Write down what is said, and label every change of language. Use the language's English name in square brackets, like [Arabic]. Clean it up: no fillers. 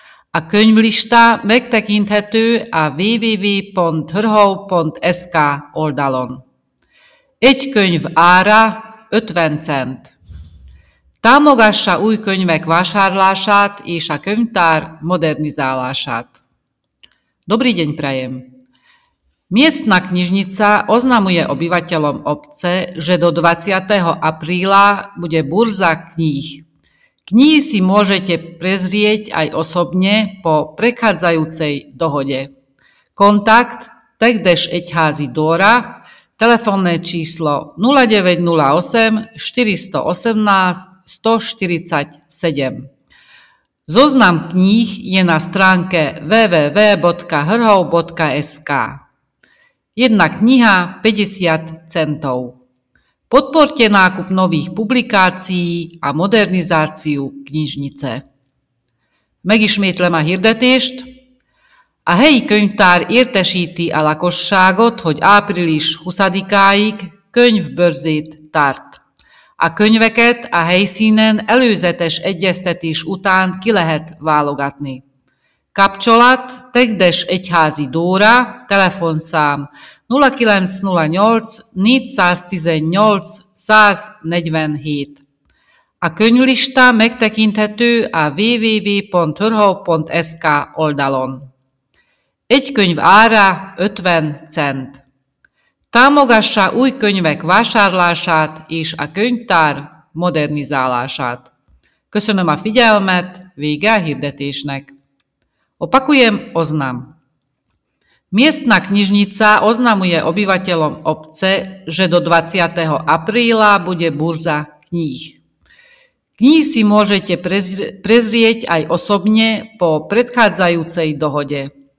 [Hungarian] A könyvlista megtekinthető a www.hrhau.sk oldalon. Egy könyv ára 50 cent. Támogassa új könyvek vásárlását és a könyvtár modernizálását. [Slovak] Dobrý deň prajem! Miestna knižnica oznamuje obyvateľom obce, že do 20. apríla bude burza kníh. Knihy si môžete prezrieť aj osobne po prechádzajúcej dohode. Kontakt Tegdes Egyházi Dóra, telefónne číslo 0908 418 147. Zoznam kníh je na stránke www.hrhov.sk. Jedna kniha 50 centov. Podporte nákup nových publikácií a modernizáciu knižnice. [Hungarian] Megismétlem a hirdetést. A helyi könyvtár értesíti a lakosságot, hogy április 20-áig könyvbörzét tart. A könyveket a helyszínen előzetes egyeztetés után ki lehet válogatni. Kapcsolat Tegdes Egyházi Dóra, telefonszám 0908 418 147. A könyvlista megtekinthető a www.hrhau.sk oldalon. Egy könyv ára 50 cent. Támogassa új könyvek vásárlását és a könyvtár modernizálását. Köszönöm a figyelmet, vége a hirdetésnek. [Slovak] Opakujem oznam. Miestna knižnica oznamuje obyvateľom obce, že do 20. apríla bude burza kníh. Knihy si môžete prezrieť aj osobne po predchádzajúcej dohode.